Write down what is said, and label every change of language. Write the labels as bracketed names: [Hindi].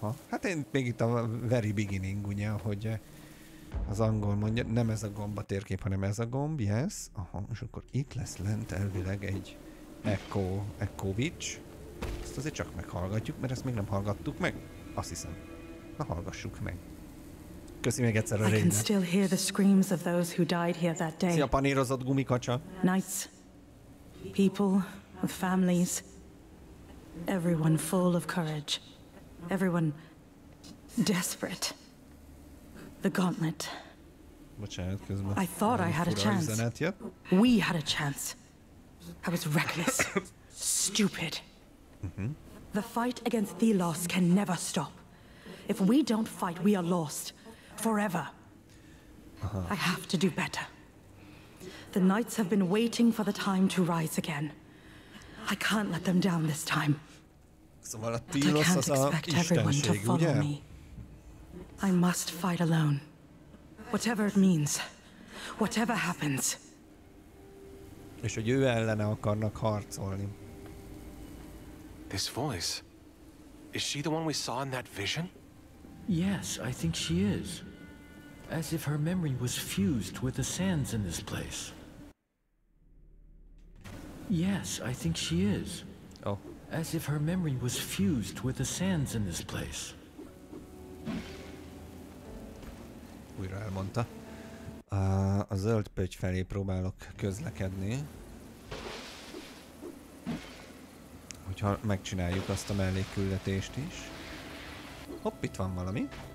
[Hungarian] Hát én még itt a [English] very beginning, [Hungarian] ugye, hogy... Az angol mondja, nem ez a gomb a térkép, hanem ez a gomb, yes. Aha, és akkor itt lesz lent elvileg egy Echovic. Ezt azért csak meghallgatjuk, mert ezt még nem hallgattuk meg. Azt hiszem. Na, hallgassuk meg. Köszi még egyszer a rénet. [English] I can still hear the screams of those who died here that day. [Hungarian] Szia, panírozott gumikacsa. [English] Knights. People with families. Everyone full of courage. Everyone desperate. The gauntlet. [Hungarian] Bocsánat, közben. [English] I thought I had a chance. We had a chance. I was reckless. Stupid. Mm-hmm. The fight against Thelos can never stop. If we don't fight, we are lost. Forever. Aha. I have to do better. The knights have been waiting for the time to rise again. I can't let them down this time. [Hungarian] Szóval a Thelos az a istenség, ugye? [English] I must fight alone. Whatever it means. Whatever happens. [Hungarian] És hogy ő ellene akarnak harcolni. [English] This voice. Is she the one we saw in that vision? Yes, I think she is. As if her memory was fused with the sands in this place. Yes, I think she is. Oh. As if her memory was fused with the sands in this place. [Hungarian] Újra elmondta. A zöld pötty felé próbálok közlekedni. Hogyha megcsináljuk azt a mellékküldetést is. Hopp, itt van valami.